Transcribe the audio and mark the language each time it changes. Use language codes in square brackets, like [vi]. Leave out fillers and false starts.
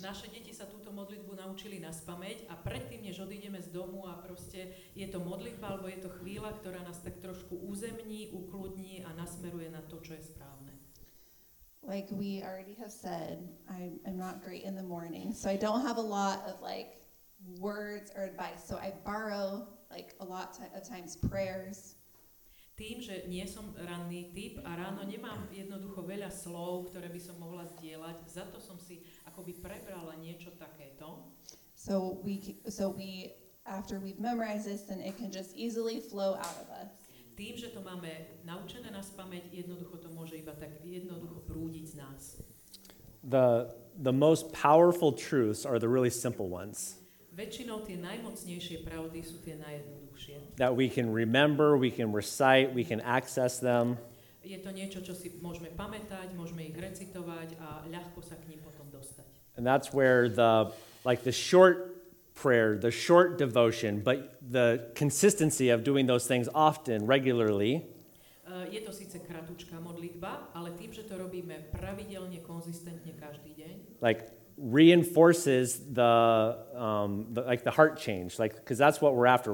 [sk] Naše deti sa túto modlitbu naučili na spameť a predtým, než odídeme z domu a proste je to modlitba alebo je to chvíľa, ktorá nás tak trošku uzemní, ukludní a nasmeruje na to, čo je správne. [en] Like we already have said, I'm not great in the morning, so I don't have a lot of like words or advice, so I borrow like a lot of times prayers. [sk] Tým, že nie som ranný typ a ráno nemám jednoducho veľa slov, ktoré by som mohla zdieľať, za to som si akoby prebrala niečo takéto. [en] So we after we've memorized this, then it can just easily flow out of us. [sk] Tým, že to máme naučené na spameť, jednoducho to môže iba tak jednoducho prúdiť z nás. [en] The most powerful truths are the really simple ones. [sk] Väčšinou tie najmocnejšie pravdy sú tie najjednoduchšie. [en] That we can remember, we can recite, we can access them. [sk] Je to niečo, čo si môžeme pamätať, môžeme ich recitovať a ľahko sa k ním potom dostať. [en] And that's where the like the short prayer, the short devotion, but the consistency of doing those things often, regularly. [sk] Je to síce kratučká modlitba, ale tým, že to robíme pravidelne, konzistentne každý deň. [en] Like reinforces the heart change, like, because that's what we're after.